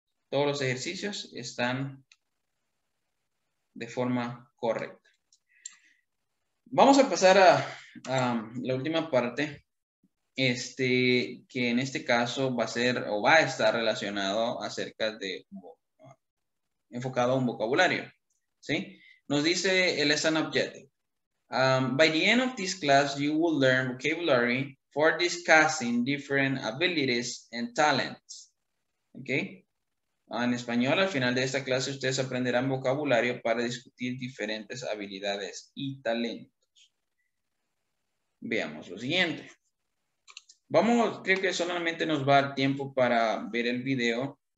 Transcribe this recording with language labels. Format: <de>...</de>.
<es>Todos los ejercicios están de forma correcta. Vamos a pasar a la última parte. Este, que en este caso va a ser o va a estar relacionado acerca de, enfocado a un vocabulario. ¿Sí? Nos dice el</es> <en>lesson objective. By the end of this class, you will learn vocabulary for discussing different abilities and talents. Okay?</en> <es>En español, al final de esta clase, ustedes aprenderán vocabulario para discutir diferentes habilidades y talentos. Veamos lo siguiente. Vamos, creo que solamente nos va a dar tiempo para ver el video.</es>